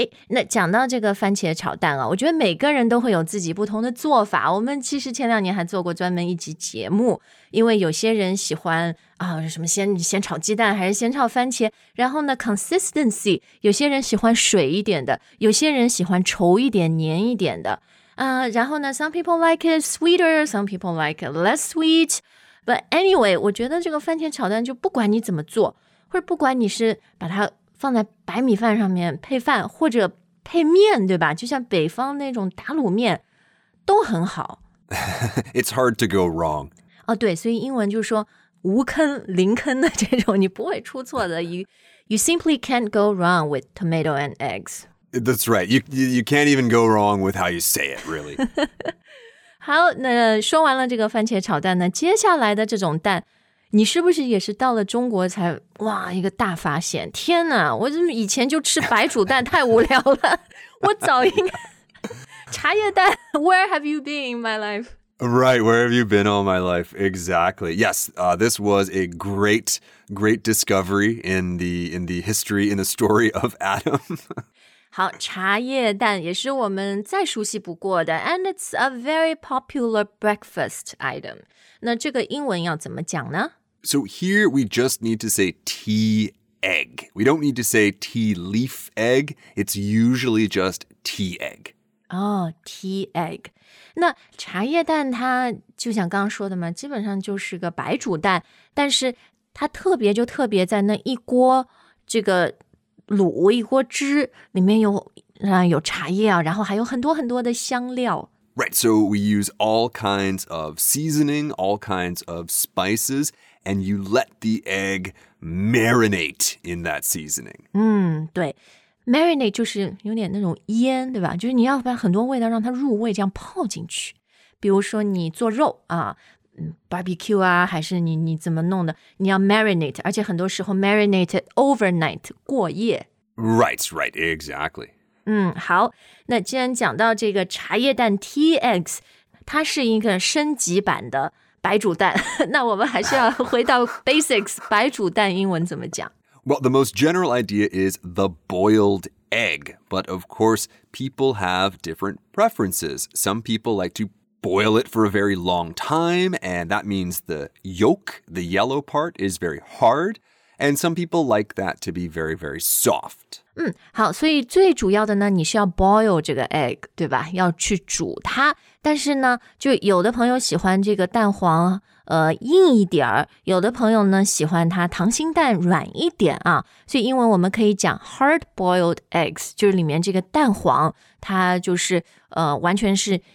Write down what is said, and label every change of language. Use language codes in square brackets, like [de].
[zh] 那讲到这个番茄炒蛋啊，我觉得每个人都会有自己不同的做法。我们其实前两年还做过专门一集节目，因为有些人喜欢什么先炒鸡蛋还是先炒番茄，然后呢consistency， 有些人喜欢水一点的，有些人喜欢稠一点黏一点的。然后呢， [en] some people like it sweeter, some people like it less sweet. But anyway, [zh] 我觉得这个番茄炒蛋就不管你怎么做，或者不管你是把它放在白米饭上面配饭，或者配面，对吧？就像北方那种打卤面，都很好。 [en] It's hard to go wrong. [zh] 对，所以英文就是说无坑零坑的这种，你不会出错的。 [en] You simply can't go wrong with tomato and eggs. That's right. You can't even go wrong with how you say it, really. [zh] 好，那说完了这个番茄炒蛋呢，接下来的这种蛋，你是不是也是到了中国才哇一个大发现？天哪，我怎么以前就吃白煮蛋太无聊了？我早应该茶叶蛋。 [en] Where have you been in my life? Right, where have you been all my life? Exactly. Yes, this was a great, great discovery in the history, in the story of Adam. [zh] 好，茶叶蛋也是我们再熟悉不过的 ， [en] and it's a very popular breakfast item. [zh] 那这个英文要怎么讲呢 [en] ？So here we just need to say tea egg. We don't need to say tea leaf egg. It's usually just tea egg. Oh, tea egg. [zh] 那茶叶蛋它就像刚刚说的嘛，基本上就是个白煮蛋，但是它特别就特别在那一锅这个。卤一锅汁里面有茶叶啊，然后还有很多很多的香料。 [en] Right, so we use all kinds of seasoning, all kinds of spices, and you let the egg marinate in that seasoning. [zh] 嗯，对 ，marinate 就是有点那种腌，对吧？就是你要把很多味道让它入味，这样泡进去。比如说你做肉啊。 Barbecue 啊，还是你怎么弄的？你要 marinate， 而且很多时候 marinate overnight 过夜。 [en] Right, right, exactly. [zh] 嗯，好。那既然讲到这个茶叶蛋 tea eggs， 它是一个升级版的白煮蛋。那我们还是要回到 basics， 白煮蛋英文怎么讲 [en] ？Well, the most general idea is the boiled egg, but of course, people have different preferences. Some people like to boil it for a very long time, and that means the yolk, the yellow part, is very hard, and some people like that to be very, very soft. [zh] 嗯，好，所以最主要的呢，你是要 boil 这个 egg， 对吧？要去煮它。但是呢，就有的朋友喜欢这个蛋黄，硬一点儿；有的朋友呢，喜欢它溏心蛋软一点啊。所以英文我们可以讲 hard-boiled eggs， 就是里面这个蛋黄，它就是完全是。